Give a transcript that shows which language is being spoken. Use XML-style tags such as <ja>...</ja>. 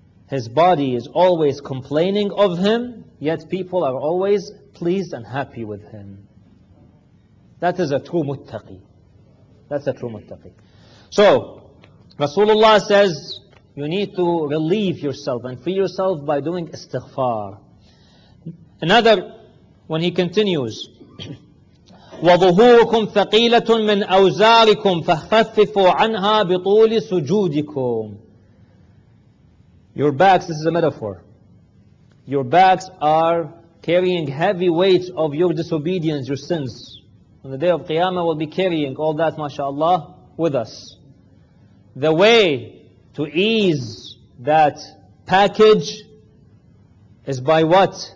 <en>His body is always complaining of him, yet people are always pleased and happy with him. That is a true muttaqi. That's a true muttaqi. So, Rasulullah says, you need to relieve yourself and free yourself by doing istighfar. Another when he continues,</en> <ar>وَظُهُورُكُمْ ثَقِيلَةٌ مِنْ أَوْزَارِكُمْ فَخَفِّفُوا عَنْهَا بِطُولِ سُجُودِكُمْ.</ar> <en>Your backs, this is a metaphor. Your backs are carrying heavy weights of your disobedience, your sins. On the day of Qiyamah, we'll be carrying all that, mashallah, with us. The way to ease that package is by what?</en>